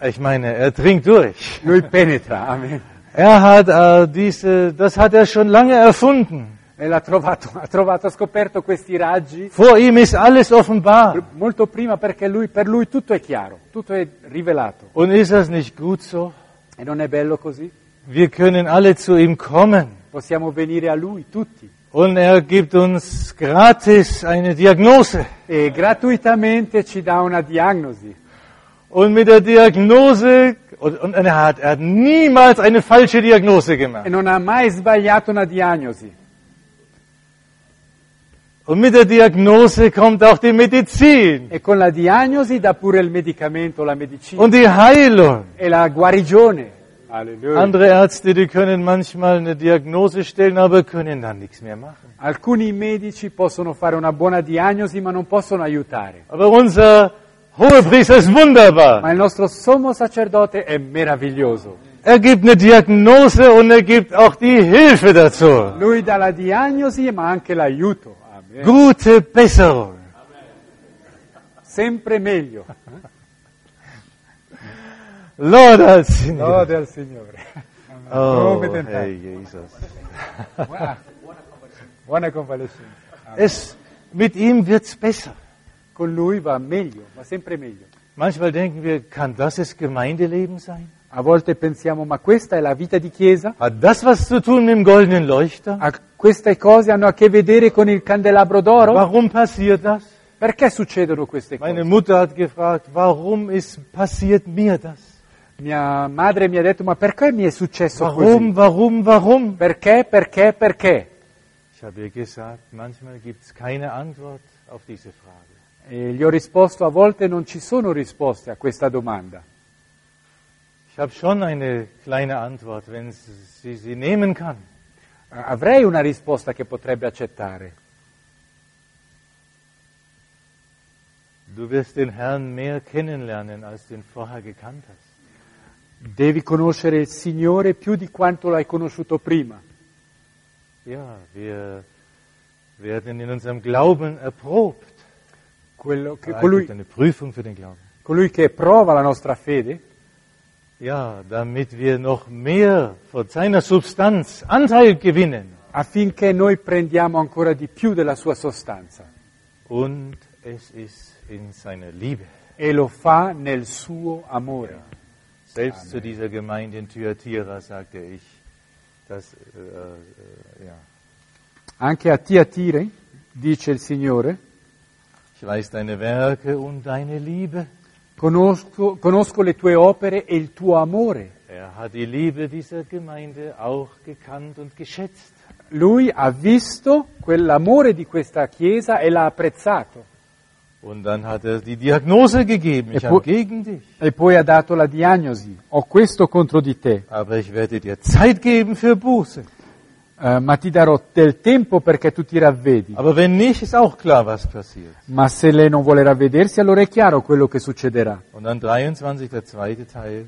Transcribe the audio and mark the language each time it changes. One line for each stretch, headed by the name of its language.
German: Ich meine, er dringt durch.
Italian: Lui penetra, amen.
German: Er hat das hat er schon lange erfunden.
Italian: Ha scoperto questi raggi.
German: Vor ihm ist alles offenbar.
Italian: Molto prima, perché per lui tutto è chiaro, tutto è rivelato.
German: Und ist das nicht gut so?
Italian: E non è bello così?
German: Wir können alle zu ihm kommen.
Italian: Possiamo venire a lui tutti.
German: Und er gibt uns gratis eine Diagnose.
Italian: E gratuitamente ci dà una diagnosi.
German: Und mit der Diagnose und er hat niemals eine falsche Diagnose gemacht.
Italian: E non ha mai sbagliato una diagnosi.
German: Und mit der Diagnose kommt auch die Medizin.
Italian: E con la diagnosi dà pure il medicamento, la medicina.
German: Und die Heilung.
Italian: E la guarigione.
German: Halleluja. Andere Ärzte, die können manchmal eine Diagnose stellen, aber können dann nichts mehr machen.
Italian: Alcuni medici possono fare una buona diagnosi, ma non possono aiutare.
German: Aber unser Hohe Priester ist wunderbar.
Italian: Ma il nostro sommo sacerdote è meraviglioso.
German: Er gibt eine Diagnose und er gibt auch die Hilfe dazu.
Italian: Lui dà la diagnosi ma anche l'aiuto.
German: Amen. Gute Besserung. Amen.
Italian: Sempre meglio. Lode al Signore. Lode al Signore.
English: Oh, hey Jesus.
Italian: Buona convalescenza.
German: Mit ihm wird's besser.
Italian: Con lui va meglio, va sempre meglio.
German: Manchmal denken wir, kann das das Gemeindeleben sein?
Italian: A volte pensiamo, ma questa è la vita di chiesa?
German: Hat das was zu tun mit dem goldenen Leuchter?
Italian: Queste cose hanno a che vedere con il candelabro d'oro?
German: Warum passiert das?
Italian: Perché succedono queste cose?
German: Meine Mutter hat gefragt, warum ist passiert mir das?
Italian: Mia madre mi ha detto, ma perché mi è successo
German: warum,
Italian: così?
German: Warum, warum, warum?
Italian: Perché, perché, perché?
German: Ich habe ihr gesagt, manchmal gibt's keine Antwort auf diese Frage.
Italian: E gli ho risposto, a volte non ci sono risposte a questa domanda.
German: Ich habe schon eine kleine Antwort, wenn sie sie nehmen kann.
Italian: Avrei una risposta che potrebbe accettare.
German: Du wirst den Herrn mehr kennenlernen, als den vorher gekannt hast.
Italian: Devi conoscere il Signore più di quanto l'hai conosciuto prima.
German: Ja, wir werden in unserem Glauben erprobt.
Italian: Quello che colui,
German: eine Prüfung für den Glauben.
Italian: Colui che prova la nostra fede.
German: Ja, damit wir noch mehr von seiner Substanz Anteil gewinnen.
Italian: Affinché noi prendiamo ancora di più della sua sostanza.
German: Und es ist in seiner Liebe.
Italian: E lo fa nel suo amore.
German: Ja. Selbst Amen. Zu dieser Gemeinde in Thyatira sagte ich, dass, ja.
Italian: Anche a Thyatira, dice il Signore,
German: ich weiß deine Werke und deine Liebe.
Italian: Conosco le tue opere e il tuo amore.
German: Er hat die Liebe dieser Gemeinde auch gekannt und geschätzt.
Italian: Lui ha visto quell'amore di questa chiesa e l'ha apprezzato.
German: Und dann hat er die Diagnose gegeben, ich habe gegen dich.
Italian: E poi ha dato la diagnosi, ho questo contro di te.
German: Aber ich werde dir Zeit geben für Buße.
Italian: Ma ti darò del tempo perché tu ti ravvedi.
German: Aber wenn nicht, ist auch klar, was passiert.
Italian: Ma se lei non vuole ravvedersi, allora è chiaro quello che succederà.
German: Und dann 23, der zweite Teil.